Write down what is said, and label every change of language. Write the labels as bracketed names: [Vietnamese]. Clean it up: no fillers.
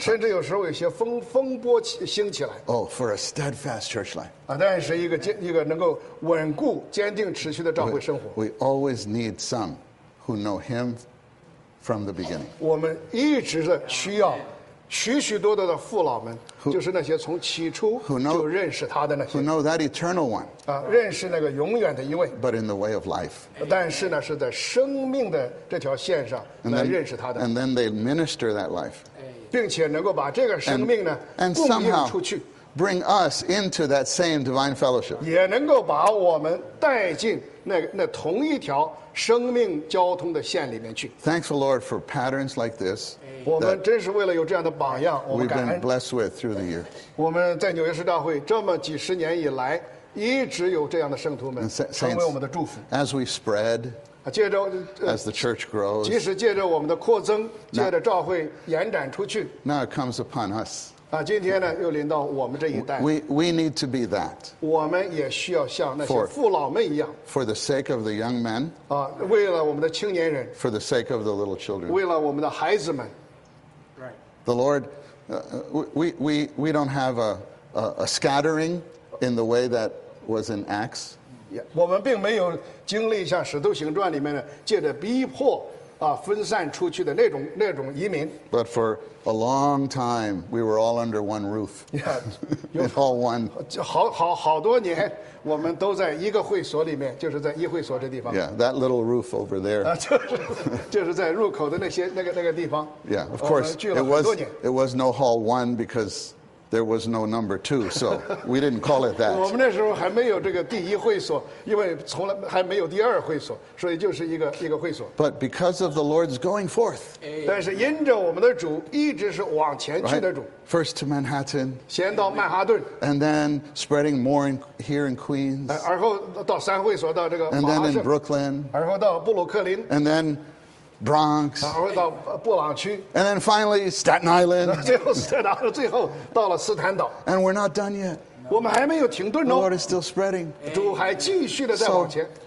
[Chinese] 甚至有时候有些风波兴起来。 [English] Oh, for a steadfast church life. [Chinese] 但是一个能够稳固坚定持续的召会生活。 [English] We always need some who know him from the beginning. [Chinese] 我们一直的需要许许多多的父老们，就是那些从起初就认识他的那些。 [English] Who know that eternal one. [Chinese] 认识那个永远的一位。 [English] But in the way of life. [Chinese] 但是呢是在生命的这条线上来认识他的。 [English] And then they minister that life. [Chinese] 并且能够把这个生命呢供应出去。 [English] And somehow bring us into that same divine fellowship. [Chinese] 也能够把我们带进那同一条生命交通的线里面去。 [English] Thanks the Lord for patterns like this. [Chinese] 我们真是为了有这样的榜样，我们感恩。 [English] We've been blessed with through the year. [Chinese] 我们在纽约市召会这么几十年以来，一直有这样的圣徒们成为我们的祝福。 [English] As we spread, as the church grows, [Chinese] 即使借着我们的扩增，借着召会延展出去。 [English] Now it comes upon us. [Chinese] 今天呢又临到我们这一代。 [English] We need to be that. [Chinese] 我们也需要像那些父老们一样。 [English] For the sake of the young men. [Chinese] 为了我们的青年人。 [English] For the sake of the little children. [Chinese] 为了我们的孩子们。 [English] The Lord, we don't have a scattering in the way that was in Acts. [Chinese] 我们并没有经历像《使徒行传》里面的借着逼迫分散出去的那种移民。 [English] But for a long time, we were all under one roof. Yeah, all one. [Chinese] 好多年，我们都在一个会所里面，就是在一会所这地方。 [English] Yeah, that little roof over there. [Chinese] 就是在入口的那些那个地方。 [English] Yeah, of course, it was no hall one because there was no number two, so we didn't call it that. [Chinese] 我们那时候还没有这个第一会所，因为从来还没有第二会所，所以就是一个会所。 [English] But because of the Lord's going forth, [Chinese] 但是因着我们的主一直是往前去的主。 [English] Right? First to Manhattan, [Chinese] 先到曼哈顿, [English] and then spreading more in, here in Queens, [Chinese] 然后到三会所，到这个马哈顿, [English] and then in Brooklyn, [Chinese] 然后到布鲁克林, [English] and then Bronx, [Chinese] 然后到布朗区, [English] and then finally Staten Island. [Chinese] 最后到了斯坦岛, [English] and we're not done yet. [Chinese] No. 我们还没有停顿哦, [English] the Lord is still spreading. [Chinese] 主还继续的在往前。